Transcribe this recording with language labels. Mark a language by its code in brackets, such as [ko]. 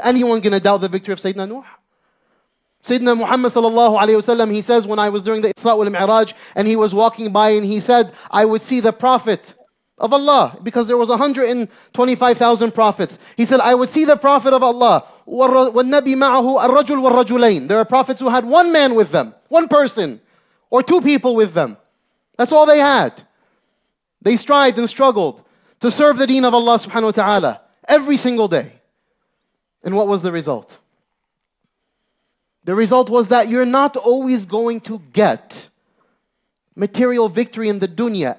[en] Anyone going to doubt the victory of Sayyidina Nuh? Sayyidina Muhammad sallallahu alayhi wasallam, he says, when I was during the Isra wal Mi'raj, and he was walking by, and he said, I would see the Prophet of Allah, because there was 125,000 prophets. He said, I would see the Prophet of Allah. [ar] والنبي معه الرجل والرجلين. [en] There are prophets who had one man with them, one person, or two people with them. That's all they had. They strived and struggled to serve the deen of Allah subhanahu wa ta'ala every single day. And what was the result? The result was that you're not always going to get material victory in the dunya.